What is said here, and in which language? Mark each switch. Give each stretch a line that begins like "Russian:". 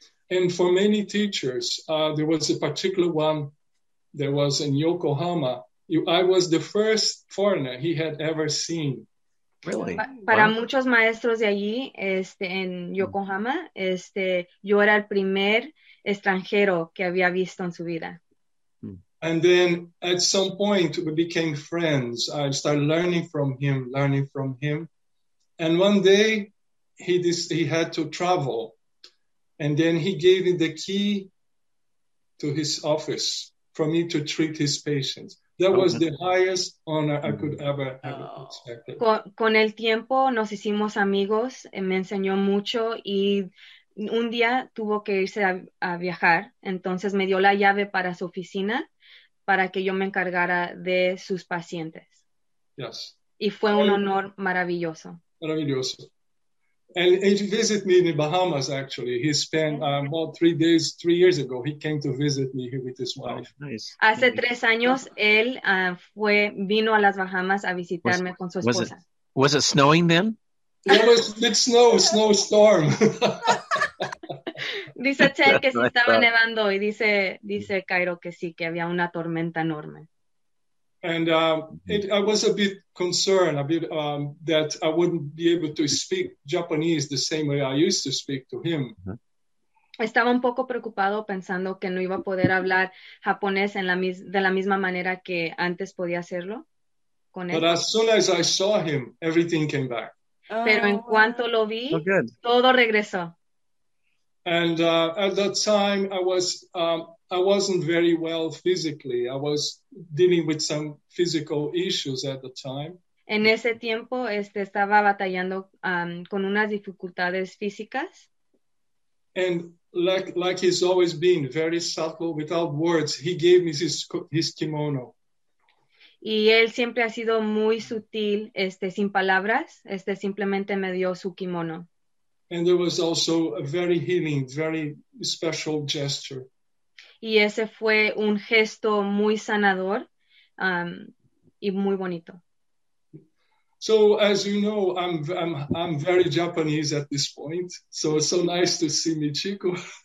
English: And for many teachers, there was a particular one that was in Yokohama. I was the first foreigner he had ever seen. Really?
Spanish: Para muchos maestros de allí, en Yokohama, yo era el primer extranjero que había visto en su vida.
English: And then at some point we became friends. I started learning from him. And one day he had to travel. And then he gave me the key to his office for me to treat his patients. That was the highest honor I could ever have expected.
Spanish: Con el tiempo nos hicimos amigos, me enseñó mucho y un día tuvo que irse a viajar, entonces me dio la llave para su oficina para que yo me encargara de sus pacientes.
English: Yes.
Spanish: Y fue un honor maravilloso. Maravilloso.
English: And he visited me in the Bahamas, actually. He spent about 3 days, 3 years ago, he came to visit me here with his wife. Nice.
Spanish: Hace 3 años, él vino a las Bahamas a visitarme con su esposa.
English: Was it snowing then? It was mid snowstorm.
Spanish: Dice Ted que se estaba nevando y dice Cairo que sí, que había una tormenta enorme.
English: And I was a bit concerned, that I wouldn't be able to speak Japanese the same way I used to speak to him.
Spanish: Estaba un poco preocupado pensando que no iba a poder hablar japonés de la misma manera que antes podía hacerlo con él.
English: But as soon as I saw him, everything came back.
Spanish: Pero en cuanto lo vi, todo regresó.
English: And at that time, I wasn't very well physically. I was dealing with some physical issues at the time.
Spanish: En ese tiempo, estaba batallando con unas dificultades físicas.
English: And like he's always been, very subtle, without words, he gave me his kimono.
Spanish: Y él siempre ha sido muy sutil, sin palabras, simplemente me dio su kimono.
English: And there was also a very healing, very special gesture.
Spanish: Y ese fue un gesto muy sanador y muy bonito.
English: So as you know, I'm very Japanese at this point. So it's so nice to see Michiko.